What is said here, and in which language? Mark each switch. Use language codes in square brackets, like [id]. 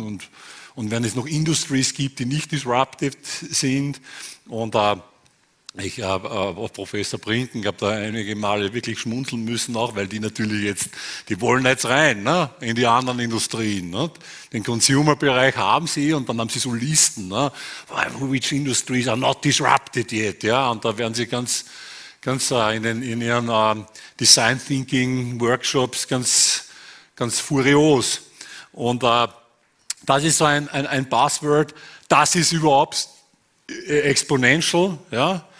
[de] Und wenn es noch Industries gibt, die nicht disruptive sind. Und ich habe Professor Brinken, ich habe da einige Male wirklich schmunzeln müssen auch, weil die natürlich jetzt, die wollen jetzt rein, ne, in die anderen Industrien. Ne? Den Consumer-Bereich haben sie und dann haben sie so Listen, ne? [en] Which industries are not disrupted yet. [de] Ja? Und da werden sie ganz in ihren Design-Thinking-Workshops ganz furios. Und das ist so ein Buzzword, das ist überhaupt exponential, ja.